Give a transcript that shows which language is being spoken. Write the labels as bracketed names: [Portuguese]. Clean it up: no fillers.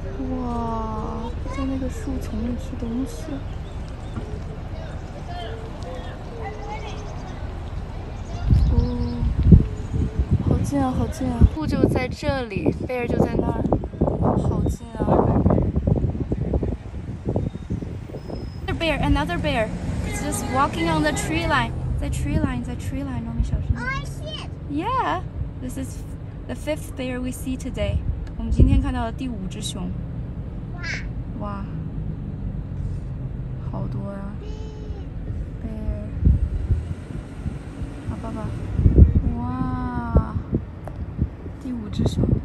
[Chinese] 哇，在那个树丛里吃东西。哦，好近啊，好近啊！布就在这里，贝尔就在那儿，好近啊。 [English] Bear, another bear, it's just walking on the tree line. The tree line. Oh, I see it. Yeah, this is the fifth bear we see today. [Chinese] 我们今天看到了第五只熊。哇！哇！好多呀、啊。 [English] Bear. [Chinese] 好、啊，爸爸。哇！第五只熊。